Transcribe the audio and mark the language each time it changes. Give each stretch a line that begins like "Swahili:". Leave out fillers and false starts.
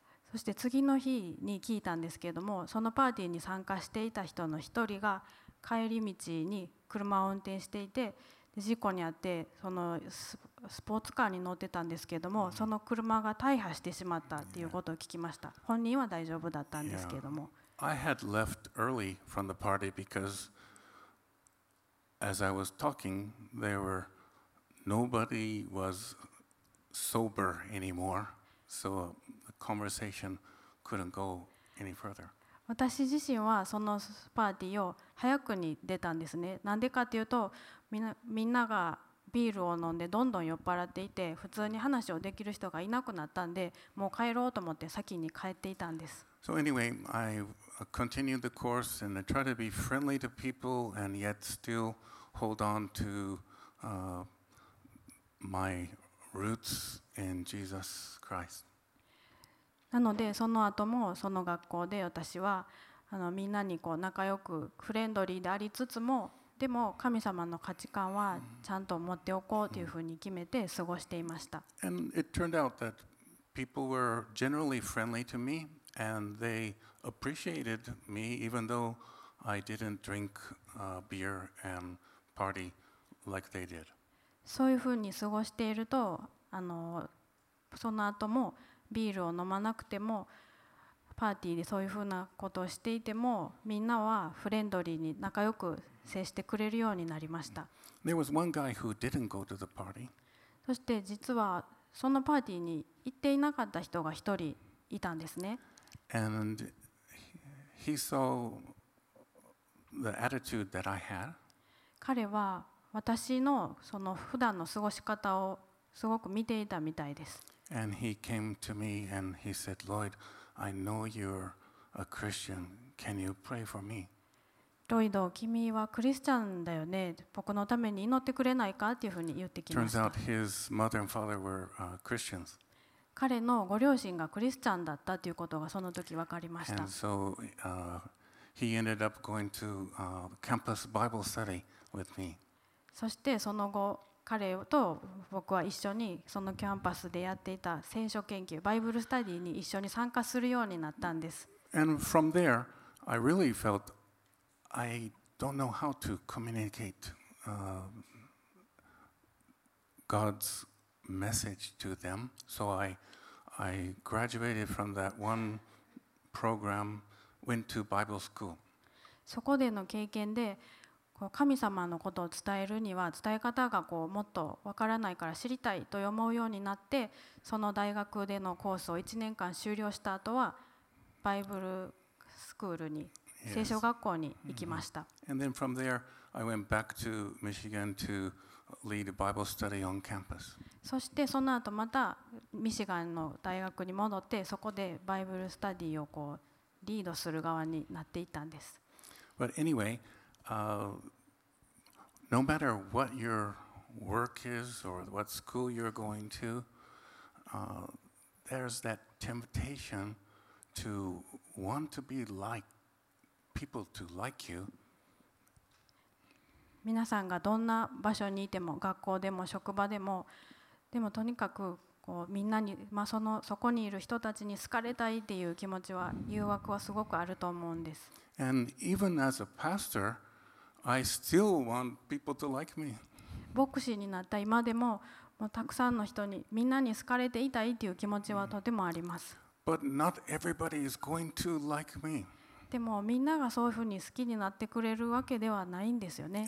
Japanese: そして次の日に聞いたんですけれども、そのパーティーに参加していた人の一人が帰り道に車を運転していて事故に遭って、そのスポーツカーに乗ってたんですけれども、その車が大破してしまったということを聞きました。本人は大丈夫だったんですけれども、
English: I had left early from the party because as I was talking, there were nobody was sober anymore, so.Conversation couldn't go any further.
Japanese: 私自身はそのパーティーを早くに出たんですね。なんでかというと、みんながビールを飲んでどんどん酔っ払っていて、普通に話をできる人がいなくなったんで、もう帰ろうと思って先に帰っていたんです。
English: So anyway, I continued the course and I tried to be friendly to people and yet still hold on to my roots in Jesus Christ.
Japanese: なのでその後もその学校で私はみんなにこう仲良くフレンドリーでありつつも、でも神様の価値観はちゃんと持っておこうというふうに決めて過ごしていました。
English: And it turned out that people were generally friendly to me and they appreciated me even though I didn't drink beer and party like they did.
Japanese: そういうふうに過ごしているとその後もビールを飲まなくてもパーティーでそういうふうなことをしていてもみんなはフレンドリーに仲良く接してくれるようになりました。
English: There was one guy who didn't go to the party.
Japanese: そして実はそのパーティーに行っていなかった人が一人いたんですね。
English: And he saw the attitude that I had.
Japanese: 彼は私のその普段の過ごし方をすごく見ていたみたいです。
English: And he came to me and he said, Lloyd, I know you're a Christian. Can you pray for me?
Japanese: ロイド、君はクリスチャンだよね。僕のために祈ってくれないかというふうに言ってきました。
English: Turns out his mother and father were Christians.
Japanese: 彼のご両親がクリスチャンだったということがその時分かりました。
English: And so he ended up going to campus Bible study with me.
Japanese: そしてその後彼と僕は一緒にそのキャンパスでやっていた聖書研究、バイブルスタディに一緒に参加するようになったんです。
English: And from there, I really felt I don't know how to communicate God's message to them. So I graduated from that one program, went to Bible school.
Japanese: そこでの経験で神様のことを伝えるには伝え方がこうもっとわからないから知りたいと思うようになって、その大学でのコースを1年間終了した後はバイブルスクールに、聖書学校に行きました。
English: Yes. And then from there I went back to Michigan to lead a Bible study on campus. そしてその後またミシガンの大学に戻って、そこでバイブルスタディをこうリードする側になっていたんです。 But anywayno matter what your work is or what school you're going to, there's that temptation to want to be like people to like you.
Japanese: 皆さんがどんな場所にいても、学校でも職場でも、でもとにかくこうみんなに、まあ、そこにいる人たちに好かれたいっていう気持ちは、誘惑はすごくあると思うんです。
English: And even as a pastor,I still want people to like me.
Japanese: 牧師になった今でも、もうたくさんの人に、みんなに好かれていたいという気持ちはとてもあります。
English: But not everybody is going to like me.
Japanese: でもみんながそういうふうに好きになってくれるわけではないんですよね。